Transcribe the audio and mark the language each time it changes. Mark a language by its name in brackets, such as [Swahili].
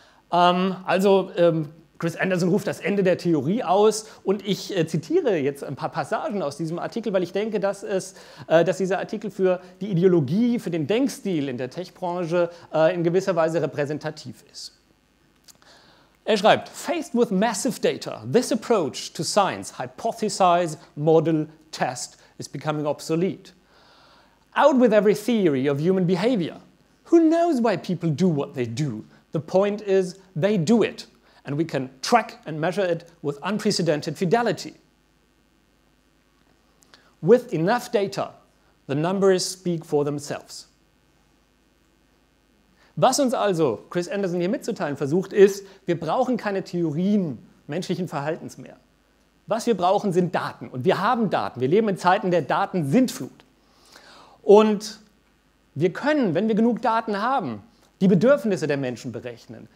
[German] Chris Anderson ruft das Ende der Theorie aus und ich zitiere jetzt ein paar Passagen aus diesem Artikel, weil ich denke, dass dieser Artikel für die Ideologie, für den Denkstil in der Tech-Branche in gewisser Weise repräsentativ ist. Er schreibt, [English] faced with massive data, this approach to science, hypothesize, model, test, is becoming obsolete. Out with every theory of human behavior. Who knows why people do what they do? The point is, they do it, and we can track and measure it with unprecedented fidelity. With enough data, the numbers speak for themselves. [German] Was uns also Chris Anderson hier mitzuteilen versucht, ist, wir brauchen keine Theorien menschlichen Verhaltens mehr. Was wir brauchen, sind Daten. Und wir haben Daten. Wir leben in Zeiten der Datensintflut. Und wir können, wenn wir genug Daten haben, die Bedürfnisse der Menschen berechnen.